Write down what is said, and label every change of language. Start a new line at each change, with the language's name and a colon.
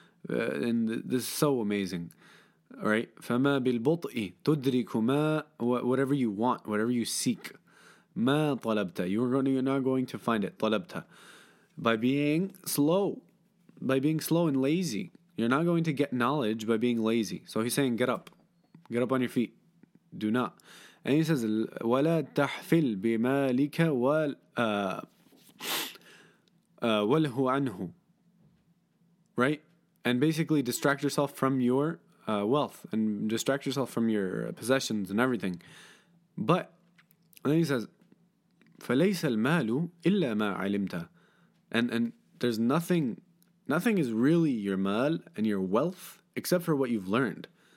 English: And this is so amazing, right?
Arabic: فَمَا بِالْبُطْءِ تُدْرِكُ مَا
English: whatever you want, whatever you seek.
Arabic: مَا طَلَبْتَ
English: you're not going to find it.
Arabic: طَلَبْتَ
English: by being slow. By being slow and lazy, you're not going to get knowledge by being lazy. So he's saying, get up. Get up on your feet. Do not. And he says,
Arabic: وَلَا تَحْفِلْ بِمَالِكَ وَالْهُ عَنْهُ.
English: Right? And basically distract yourself from your wealth and distract yourself from your possessions and everything. But, and then he says,
Arabic: فَلَيْسَ الْمَالُ إِلَّا مَا عَلِمْتَ.
English: And there's nothing... Nothing is really your mal and your wealth except for what you've learned.